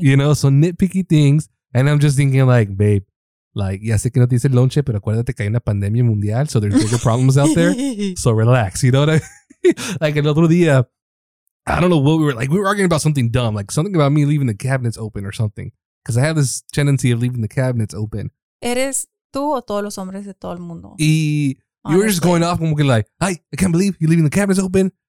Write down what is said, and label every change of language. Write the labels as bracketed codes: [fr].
[en] You know, so nitpicky things. And I'm just thinking like, babe, like, [es] ya sé que no te dice el lonche, pero acuérdate que hay una pandemia mundial, [en] so there's bigger problems out there. So relax, you know what I mean? Like, [es] el otro día, [en] I don't know what we were, like, we were arguing about something dumb, like something about me leaving the cabinets open or something. Because I have this tendency of leaving the cabinets open. [es] ¿Eres tú o todos los hombres de todo el mundo? [en] Y honestly, you were just going off [es] como que [en] like, ay, I can't believe you're leaving the cabinets open.